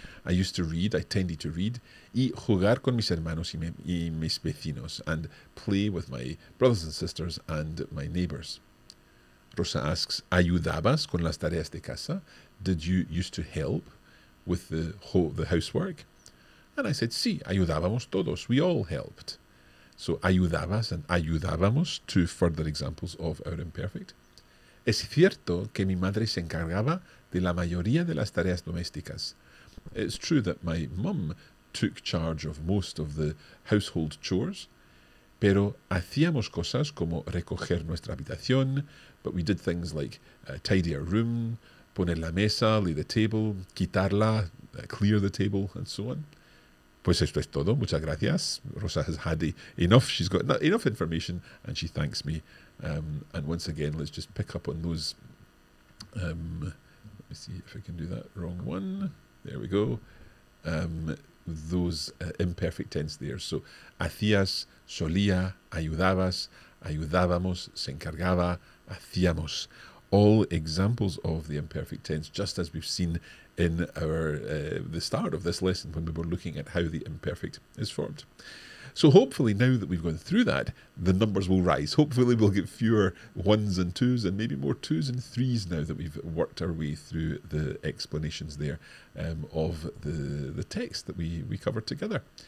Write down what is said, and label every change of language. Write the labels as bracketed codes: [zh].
[en] I used to read. I tended to read. [es] Y jugar con mis hermanos y mis vecinos. [en] And play with my brothers and sisters and my neighbors. [es] Rosa asks, ¿ayudabas con las tareas de casa? [en] Did you used to help with the housework? And I said, [es] sí, ayudábamos todos. [en] We all helped. So ayudabas and ayudábamos, two further examples of our imperfect. [es] Es cierto que mi madre se encargaba de la mayoría de las tareas domésticas. [en] It's true that my mum took charge of most of the household chores, [es] pero hacíamos cosas como recoger nuestra habitación, [en] but we did things like tidy our room, [es] poner la mesa, [en] lay the table, [es] quitarla, [en] clear the table, and so on. [es] Pues esto es todo. Muchas gracias. [en] Rosa has had enough. She's got enough information and she thanks me. And once again, let's just pick up on those. Let me see if I can do that. Wrong one. There we go. Those imperfect tense there. [es] So, hacías, solía, ayudabas, ayudábamos, se encargaba, hacíamos. [en] All examples of the imperfect tense, just as we've seen in our the start of this lesson when we were looking at how the imperfect is formed. So hopefully now that we've gone through that, the numbers will rise. Hopefully we'll get fewer ones and twos and maybe more twos and threes now that we've worked our way through the explanations there of the text that we covered together.